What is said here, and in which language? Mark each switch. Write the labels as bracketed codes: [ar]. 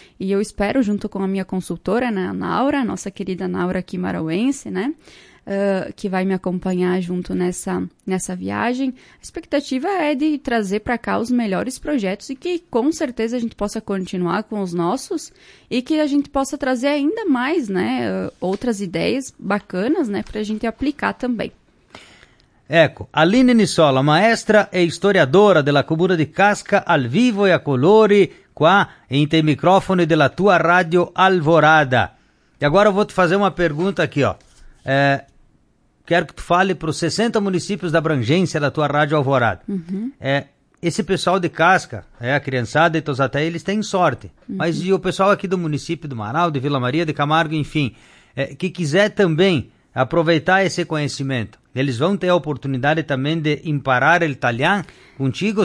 [pt] E eu espero, junto com a minha consultora, né, a Naura, nossa querida Naura Kimarauense, né, que vai me acompanhar junto nessa viagem. A expectativa é de trazer para cá os melhores projetos e que, com certeza, a gente possa continuar com os nossos e que a gente possa trazer ainda mais, né, outras ideias bacanas, né, para a gente aplicar também. [it] Ecco, Aline Nissola, maestra e historiadora della comuna di Casca, al vivo e a colori, qua, in te microfono della tua radio Alvorada. [pt] E agora eu vou te fazer uma pergunta aqui, ó. É, quero que tu fale para os 60 municípios da abrangência da tua rádio Alvorada. Uhum. É, esse pessoal de Casca, a criançada e todos até eles têm sorte. Uhum. Mas e o pessoal aqui do município do Marau, de Vila Maria, de Camargo, enfim, que quiser também aproveitar esse conhecimento, eles vão ter a oportunidade também de imparar o italiano contigo?